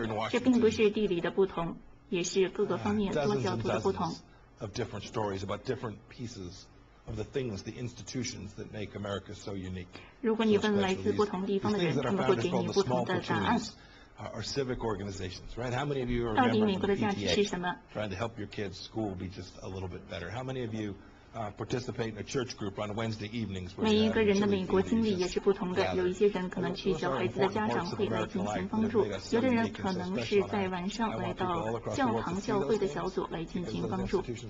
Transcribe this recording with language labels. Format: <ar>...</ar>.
<zh>这并不是地理的不同，也是各个方面多角度的不同。</zh> <en>Of different stories about different pieces of the things, the institutions that make America so unique.</en> <zh>如果你问来自不同地方的人，他们会给你不同的答案。</zh> <en>Are civic organizations, right? How many of you are members of the PTA? Trying to help your kids' school be just a little bit better. How many of you participate in a church group on Wednesday evenings.</en> <zh>每一个人的美国经历也是不同的。有一些人可能去小孩子的家长会来进行帮助，有的人可能是在晚上来到教堂教会的小组来进行帮助。</zh>